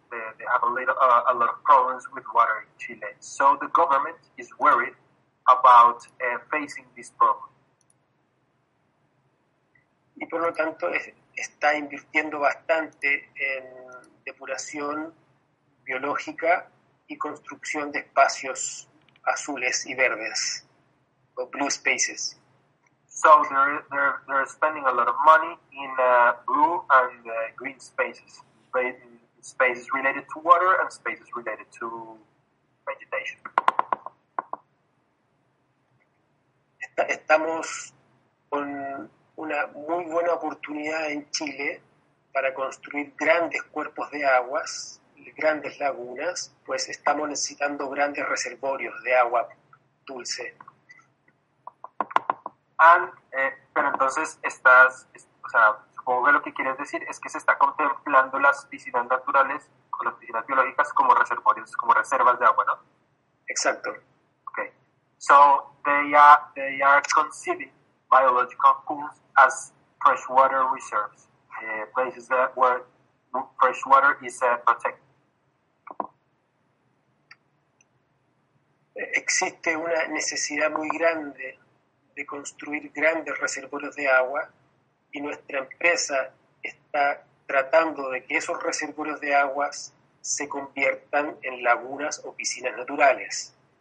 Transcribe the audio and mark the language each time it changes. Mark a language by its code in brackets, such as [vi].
[en] They have a lot of problems with water in Chile. So the government is worried about facing this problem. [es] Y por lo tanto está invirtiendo bastante en depuración biológica y construcción de espacios azules y verdes, o [en] blue spaces. So they're spending a lot of money in blue and green spaces, spaces related to water and spaces related to vegetation. [es] Estamos con una muy buena oportunidad en Chile para construir grandes cuerpos de aguas, grandes lagunas, pues estamos necesitando grandes reservorios de agua dulce. Pero entonces estás, o sea, supongo que lo que quieres decir es que se está contemplando las piscinas naturales o las piscinas biológicas como reservorios, como reservas de agua, ¿no? Exacto. [en] Okay. So they are conceiving biological pools as freshwater reserves, places that where fresh water is protected. [es] Existe una necesidad muy grande de construir grandes reservorios de agua, y nuestra empresa está tratando de que esos reservorios de aguas se conviertan en lagunas o piscinas naturales.